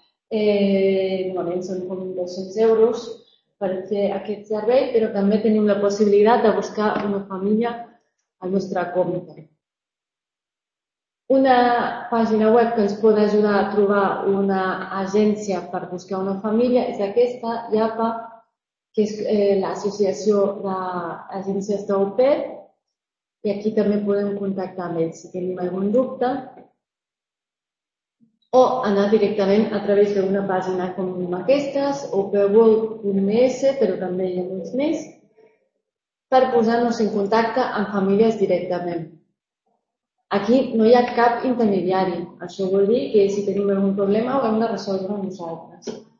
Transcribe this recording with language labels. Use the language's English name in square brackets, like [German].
[Catalan] Normalment són com 200 euros per fer aquest servei, però també tenim la possibilitat de buscar una família al nostre compte. Una pàgina web que ens pot ajudar a trobar una agència per buscar una família és aquesta, IAPA, que és l'Associació d'Agències d'Au Pair, [Spanish] Y aquí también pueden contactarme si tienen algún dubte. [Catalan] O anar directament a través d'una pàgina com aquestes, o per world.es, però també hi ha molts més, per posar-nos en contacte amb famílies directament. Aquí no hi ha cap intermediari. Això vol dir que si tenim algun problema ho hem de resoldre nosaltres.